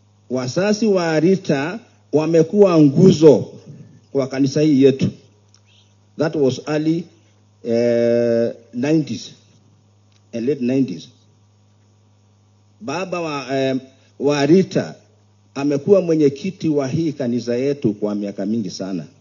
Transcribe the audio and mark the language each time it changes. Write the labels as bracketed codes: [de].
[sw] Wasasi wa Rita wamekuwa nguzo kwa kanisa hii yetu. [en] That was early 90s and late 90s. [sw] Baba wa Rita amekuwa mwenyekiti wa hii kanisa yetu kwa miaka mingi sana.